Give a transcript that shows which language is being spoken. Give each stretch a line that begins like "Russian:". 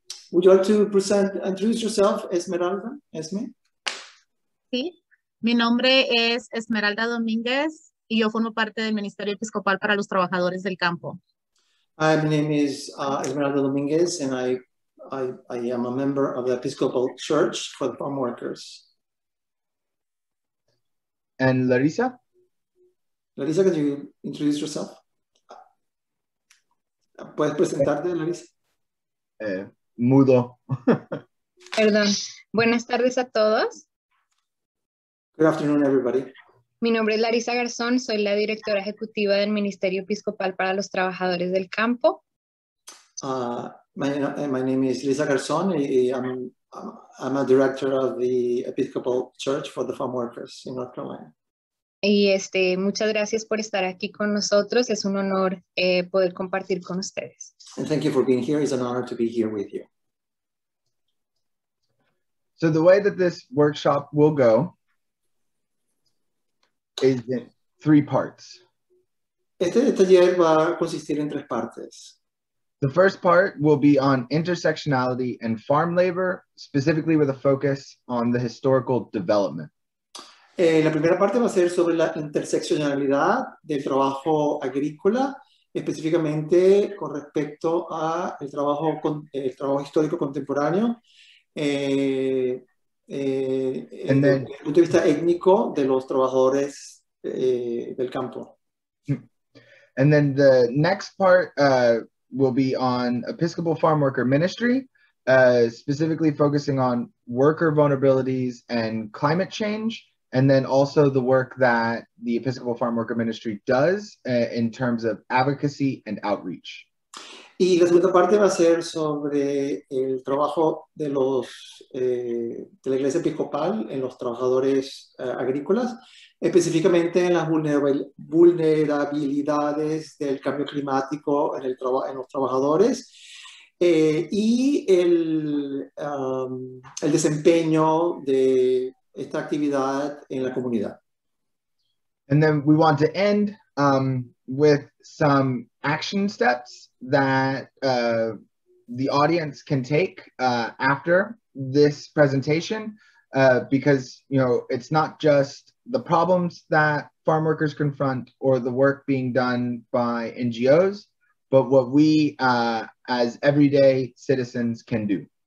English: Would you like to present, introduce yourself, Esmeralda, Esme?
Spanish: Sí, mi nombre es Esmeralda Domínguez, y yo formo parte del Ministerio Episcopal para los Trabajadores del Campo.
English: Hi, my name is Esmeralda Domínguez, and I am a member of the Episcopal Church for the Farm Workers. And Larissa? Larissa, can you introduce yourself?
Spanish: ¿Puedes presentarte, Larissa? Mudo. Perdón. Buenas tardes a todos.
English: Good afternoon, everybody.
Spanish: Mi nombre es Larissa Garzón, soy la directora ejecutiva del Ministerio Episcopal para los Trabajadores del Campo.
English: My name is Larissa Garzón, y I'm a director of the Episcopal Church for the Farm Workers in North Carolina.
Spanish: Y muchas gracias por estar aquí con nosotros, es un honor poder compartir con ustedes.
English: And thank you for being here, it's an honor to be here with you. So the way that this workshop will go is in three parts.
Spanish: Este taller va a consistir en tres partes.
English: The first part will be on intersectionality and farm labor, specifically with a focus on the historical development.
Spanish: La primera parte va a ser sobre la interseccionalidad del trabajo agrícola, específicamente con respecto a el trabajo histórico contemporáneo. Desde el punto de vista étnico de los trabajadores del campo.
English: And then the next part will be on Episcopal Farm Worker Ministry, specifically focusing on worker vulnerabilities and climate change, and then also the work that the Episcopal Farm Worker Ministry does in terms of advocacy and outreach.
Spanish: Y la segunda parte va a ser sobre el trabajo de los de la Iglesia Episcopal en los trabajadores agrícolas, específicamente en las vulnerabilidades del cambio climático en el en los trabajadores y el desempeño de esta actividad en la comunidad.
English: And then we want to end with some action steps that the audience can take after this presentation, because you know it's not just the problems that farm workers confront or the work being done by NGOs, but what we as everyday citizens can do.